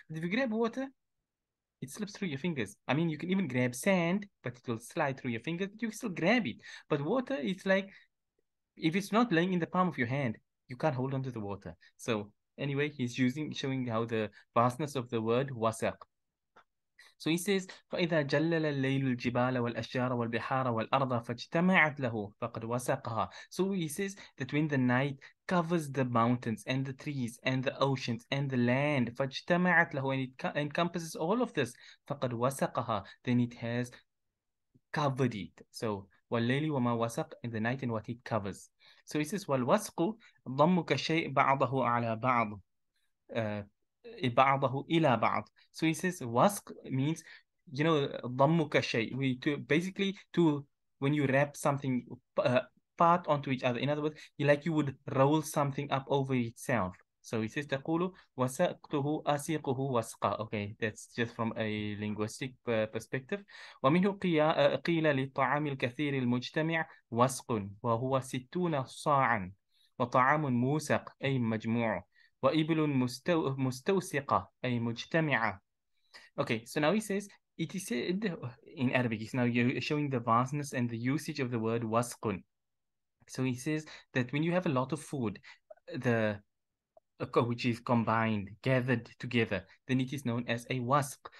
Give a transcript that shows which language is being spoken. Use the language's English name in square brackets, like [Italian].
[English] But if you grab water, it slips through your fingers. I mean, you can even grab sand, but it will slide through your fingers. You still grab it. But water, it's like, if it's not laying in the palm of your hand, you can't hold on to the water. So anyway, he's showing how the vastness of the word wasaq. So he says, [Arabic] فَإِذَا جَلَّلَ اللَّيْلُ الْجِبَالَ وَالْأَشْجَارَ وَالْبِحَارَ وَالْأَرْضَ فَاجْتَمَعَتْ لَهُ فَقَدْ وَسَقَهَا. [English] So he says that when the night covers the mountains and the trees and the oceans and the land, [Arabic] فَاجْتَمَعَتْ لَهُ, [English] and it encompasses all of this, [Arabic] فَقَدْ وَسَقَهَا, [English] then it has covered it. So [Arabic] وَاللَّيْلِ وَمَا وَسَقْ, [English] in the night and what it covers. So he says, [Arabic] وَالْوَسْقُ ضَمُّكَ شَيْءٍ بَعْضَهُ عَلَى بَعْضٍ. بعضه إلى بعض. [English] So he says wasq means, you know, [Arabic] ضمك شيء. [English] We to basically to when you wrap something part onto each other. In other words, you like you would roll something up over itself. So he says [Arabic] تقول وسقته أسيقه وسقا. [English] Okay, that's just from a linguistic perspective. [Arabic] ومنه قيل للطعام الكثير المجتمع وسق وهو 60 صاعا وطعام موسق أي مجموع. وإبل مستوسقة أي مجتمعة. [English] Okay, so now he says, it is said in Arabic, he's now showing the vastness and the usage of the word wasqun. So he says that when you have a lot of food, which is combined, gathered together, then it is known as a wasq.